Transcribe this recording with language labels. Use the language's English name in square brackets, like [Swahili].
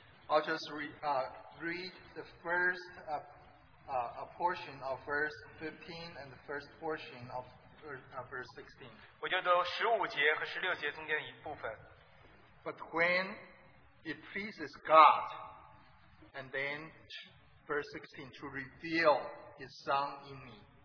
[English] I'll just read the first a portion of verse 15 and the first portion of verse 16. [Chinese] 我就读15节和16节中间的一部分. [English] But when it pleases God, and then verse 16, to reveal His Son in me.